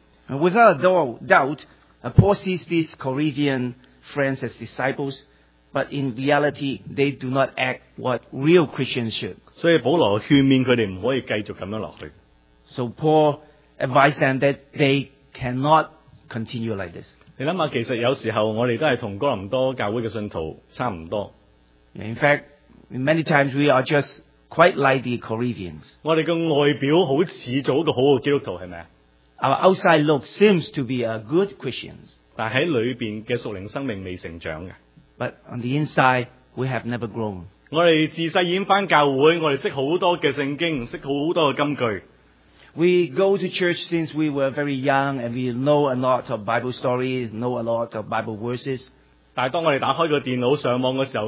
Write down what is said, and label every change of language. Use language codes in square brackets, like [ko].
[en] Without a doubt, Paul sees these Corinthian friends as disciples. But in reality, they do not act what real Christians should. [zh] 所以保罗劝勉他们不可以继续这样下去。 [en] So Paul advised them that they cannot continue like this. [zh] 你想想其实有时候我们都是跟哥林多教会的信徒差不多。 [en] In fact, many times we are just quite like the Corinthians. [zh] 我们的外表好像做一个好的基督徒是不是 [en] our outside look seems to be a good Christian. [zh] 但在里面的属灵生命未成长的, [en] but on the inside, we have never grown. [zh] 我们自小已经回教会, 我们懂很多的圣经, 懂很多的金句, [en] we go to church since we were very young, and we know a lot of Bible stories, know a lot of Bible verses. [zh] 但当我们打开电脑上网的时候,